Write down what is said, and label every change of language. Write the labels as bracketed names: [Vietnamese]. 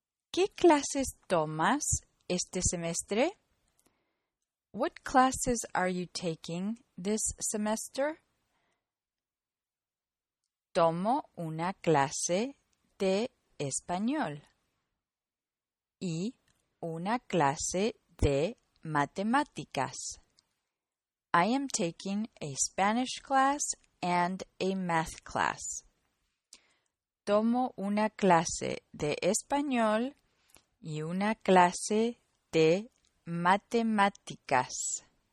[Spanish] ¿Qué clases tomas este semestre? [English] What classes are you taking this semester? [Spanish] Tomo una clase de español y una clase de matemáticas. [English] I am taking a Spanish class and a math class. [Spanish] Tomo una clase de español y una clase de matemáticas.